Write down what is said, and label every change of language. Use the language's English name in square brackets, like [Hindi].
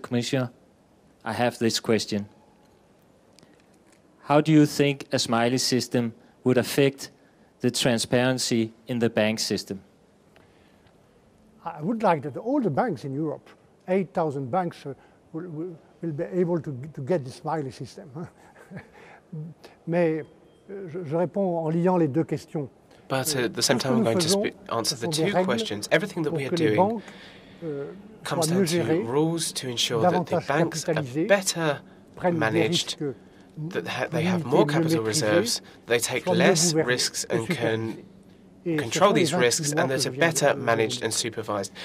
[English] Commissioner, I have this question. How do you think a smiley system would affect the transparency in the bank system? I would like that all the banks in Europe, 8,000 banks, will be able to get the smiley system. [French] Mais je réponds en liant les deux questions. [English] But at the same time, I'm going to answer the two questions. Everything that we are doing comes down to rules to ensure that the banks are better managed, that they have more capital reserves, they take less risks and can control these risks, and that are better managed and supervised.